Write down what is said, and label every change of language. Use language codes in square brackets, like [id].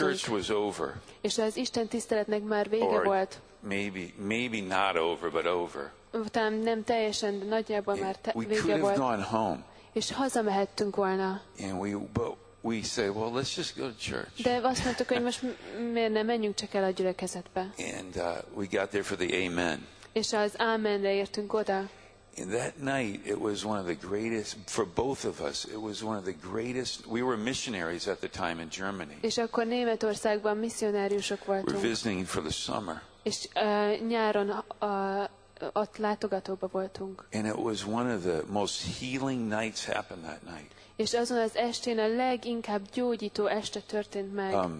[en] And church was over. [hu] És az Isten tiszteletnek már vége volt. [en] Maybe not over, but over. [hu] Utána nem teljesen, de nagyjából már vége volt. [en] We could have gone home. [hu] És hazamehettünk volna. [en] And we say, well, let's just go to church. [hu] De azt mondtuk, hogy most miért ne menjünk csak el a gyülekezetbe. [en] And we got there for the amen. [hu] És az amenre értünk oda. [en] And that night, it was one of the greatest, for both of us, it was one of the greatest, we were missionaries at the time in Germany. [hu] És akkor Németországban missionáriusok voltunk. [en] We're visiting for the summer. [hu] És nyáron ott látogatóba voltunk. [en] And it was one of the most healing nights happened that night. [hu] És azon az estén a leginkább gyógyító este történt meg.